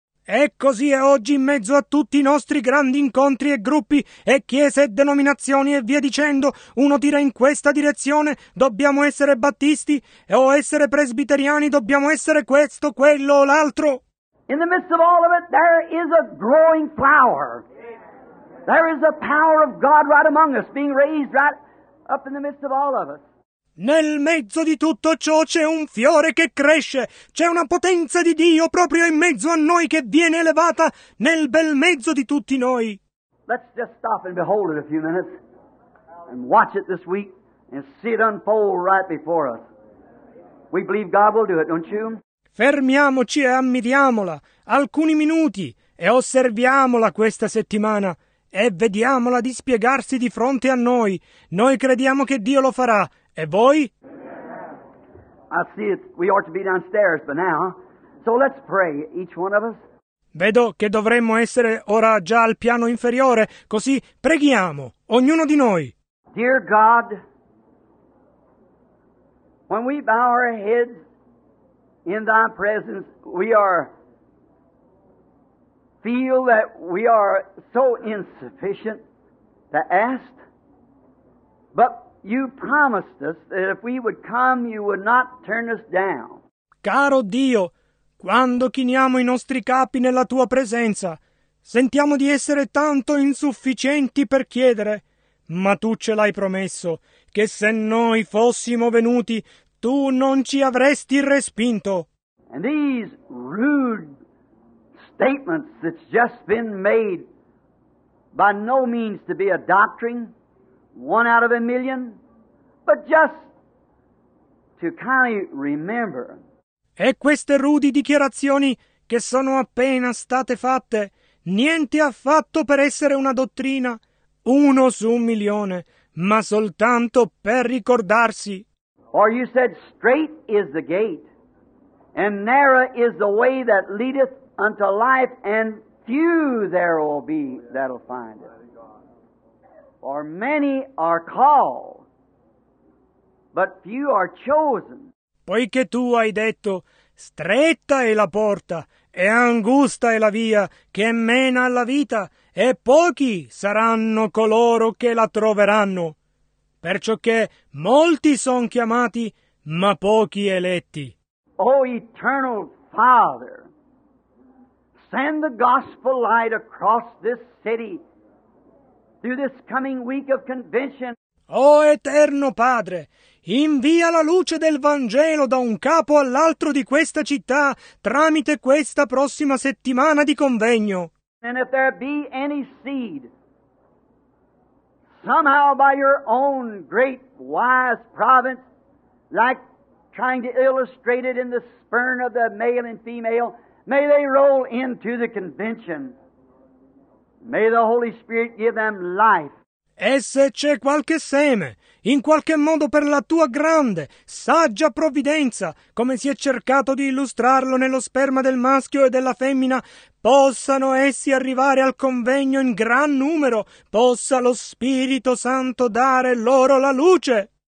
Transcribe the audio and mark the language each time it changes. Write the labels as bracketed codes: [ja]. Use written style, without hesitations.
[it] E così è oggi in mezzo a tutti i nostri grandi incontri e gruppi e chiese e denominazioni e via dicendo. Uno tira in questa direzione, dobbiamo essere battisti o essere presbiteriani, dobbiamo essere questo, quello o l'altro. [en] In the midst of all of it, there is a growing flower. There is a power of God right among us, being raised right up in the midst of all of us. [it] Nel mezzo di tutto ciò c'è un fiore che cresce, c'è una potenza di Dio proprio in mezzo a noi che viene elevata nel bel mezzo di tutti noi. [en] Let's just stop and behold it a few minutes and watch it this week and see it unfold right before us. We believe God will do it, don't you? [it] Fermiamoci e ammiriamola alcuni minuti e osserviamola questa settimana e vediamola dispiegarsi di fronte a noi. Noi crediamo che Dio lo farà. E voi? [en] I see it. We ought to be downstairs by now. So let's pray, each one of us. [it] Vedo che dovremmo essere ora già al piano inferiore, così preghiamo, ognuno di noi. [en] Dear God, when we bow our heads in Thy presence, we feel that we are so insufficient to ask. But You promised us that if we would come, You would not turn us down. [it] Caro Dio, quando chiniamo i nostri capi nella Tua presenza, sentiamo di essere tanto insufficienti per chiedere, ma Tu ce l'hai promesso, che se noi fossimo venuti, Tu non ci avresti respinto. [en] And these rude statements that's just been made, by no means to be a doctrine, one out of a million, but just to kindly remember. [it] E queste rudi dichiarazioni che sono appena state fatte, niente affatto per essere una dottrina, uno su un milione, ma soltanto per ricordarsi. [en] Or you said, straight is the gate, and narrow is the way that leadeth unto life, and few there will be that'll find it. For many are called, but few are chosen. [it] Poiché tu hai detto, stretta è la porta, e angusta è la via che mena alla vita, e pochi saranno coloro che la troveranno. Perciò che molti son chiamati, ma pochi eletti. [en] O Eternal Father, send the gospel light across this city through this coming week of convention. [it] O Eterno Padre, invia la luce del Vangelo da un capo all'altro di questa città tramite questa prossima settimana di convegno. [en] And if there be any seed, somehow by your own great wise providence, like trying to illustrate it in the spurn of the male and female, may they roll into the convention. May the Holy Spirit give them life. [it] E se c'è qualche seme, in qualche modo per la tua grande, saggia provvidenza, come si è cercato di illustrarlo nello sperma del maschio e della femmina, possano essi arrivare al convegno in gran numero, possa lo Spirito Santo dare loro la luce.